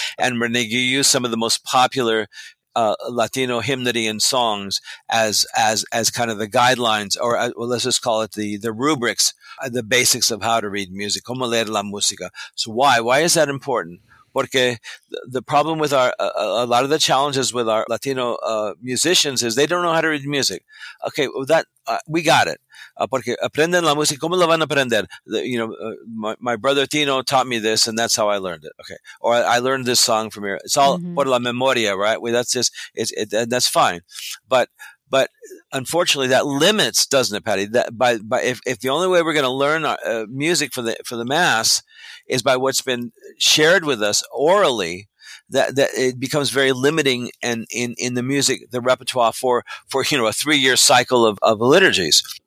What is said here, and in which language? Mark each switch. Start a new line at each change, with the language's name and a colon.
English: And we're going to use some of the most popular Latino hymnody and songs as kind of the guidelines, or let's just call it the rubrics, the basics of how to read music,
Spanish: cómo leer la música.
English: So why is that important? Porque the problem with our a lot of the challenges with our Latino musicians is they don't know how to read music. Okay, well that we got it.
Spanish: Porque aprenden la música, ¿cómo la van a aprender?
English: My brother Tino taught me this, and that's how I learned it. Okay, or I learned this song from here. It's all mm-hmm.
Spanish: por la memoria,
English: right? Well, that's fine, but unfortunately, that limits, doesn't it, Patty? That if the only way we're going to learn music for the mass is by what's been shared with us orally, that it becomes very limiting and in the music, the repertoire for you know, a 3-year cycle of liturgies.